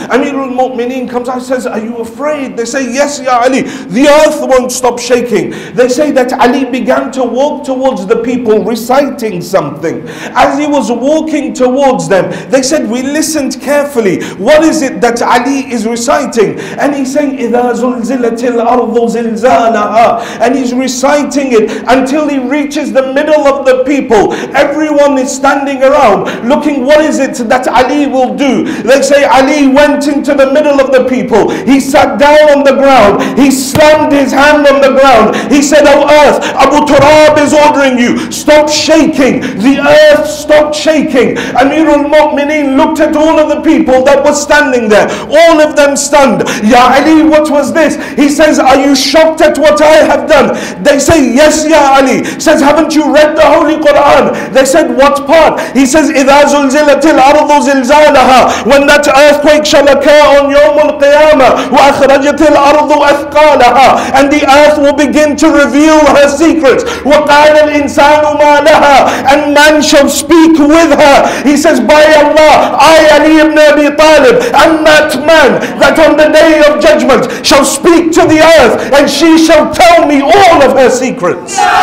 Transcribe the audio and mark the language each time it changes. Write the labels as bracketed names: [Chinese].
[English] Amirul Mu'mineen comes out and says, are you afraid? They say, yes, Ya Ali, the earth won't stop shaking. They say that Ali began to walk towards the people reciting something. As he was walking towards them, they said, we listened carefully. What is it that Ali is reciting? And he's saying, [Arabic] إِذَا زُلْزِلَتِ الْأَرْضُ زِلْزَالَهَا. [English] And he's reciting it until he reaches the middle of the people. Everyone is standing around looking, what is it that Ali will do? They say, Ali went into the middle of the people. He sat down on the ground. He slammed his hand on the ground. He said, oh earth, Abu Turab is ordering you. Stop shaking. The earth stopped shaking. Amirul Mu'mineen looked at all of the people that were standing there. All of them stunned. Ya Ali, what was this? He says, are you shocked at what I have done? They say, yes, Ya Ali. Says, haven't you read the Holy Quran? They said, what part? He says, [Arabic] إِذَا زُلْزِلَتِ الْأَرْضُ زِلْزَالَهَا. [English] When that earthquake shall occur on [Arabic] يوم القيامة وَأَخْرَجَتِ الْأَرْضُ أَثْقَالَهَا. [English] And the earth will begin to reveal her secrets. [Arabic] وَقَالَ الْإِنسَانُ مَا لَهَا. [English] And man shall speak with her. He says, by Allah, I, Ali ibn Abi Talib, am that man that on the day of judgment shall speak to the earth and she shall tell me all of her secrets.